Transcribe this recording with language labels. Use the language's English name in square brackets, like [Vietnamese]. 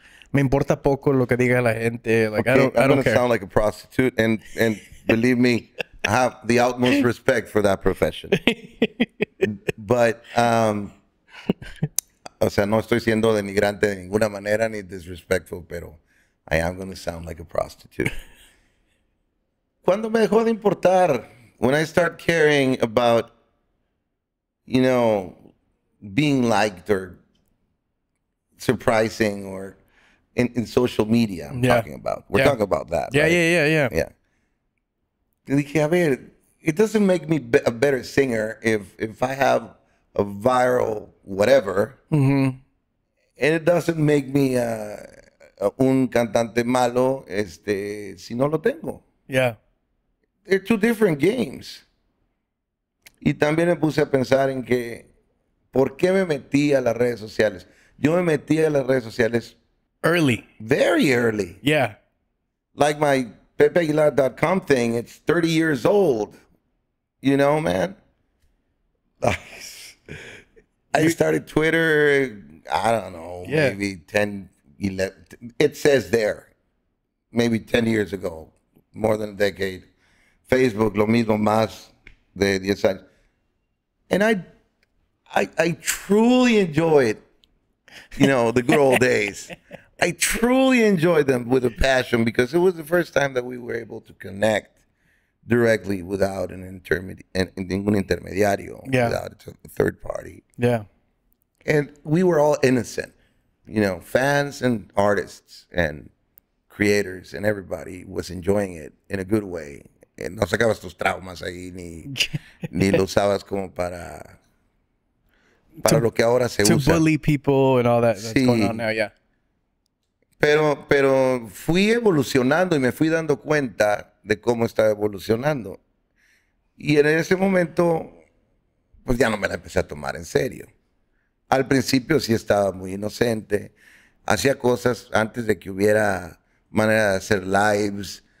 [Spanish] Me importa poco lo que diga la gente. [English] Like, okay, I don't care. I'm gonna sound like a prostitute, and believe me, I have the utmost respect for that profession. But [Spanish] o sea, no estoy siendo denigrante de ninguna manera ni disrespectful, pero [English] I am going to sound like a prostitute. [Spanish] Cuando me dejó de importar, [English] when I start caring about, you know, being liked or surprising or in social media, talking about that. Yeah, right? Yeah. [Spanish] Dije, a ver, [English] it doesn't make me a better singer if I have a viral whatever, mm-hmm. And it doesn't make me [Spanish] un cantante malo si no lo tengo. [English] Yeah. They're two different games. [Spanish] Y también me puse a pensar en que, ¿por qué me metí a las redes sociales? Yo me metí a las redes sociales. [English] Early. Very early. Yeah. Like my pepeaguilar.com thing, it's 30 years old. You know, man? I started Twitter, I don't know, maybe 10, 11, it says there, maybe 10 years ago, more than a decade. Facebook, [Spanish] lo mismo más, [English] the aside. And I truly enjoyed, you know, the good old days. I truly enjoyed them with a passion because it was the first time that we were able to connect directly without an intermediario, yeah. Without a third party. Yeah. And we were all innocent, you know, fans and artists and creators, and everybody was enjoying it in a good way. [Spanish] And no sacabas tus traumas ahí, ni lo usabas como para lo que ahora se usa. [English] To bully people and all that that's sí. Going on now, yeah. [Spanish] Pero fui evolucionando y me fui dando cuenta de cómo estaba evolucionando. Y en ese momento, pues ya no me la empecé a tomar en serio. Al principio sí estaba muy inocente. Hacía cosas antes de que hubiera manera de hacer lives.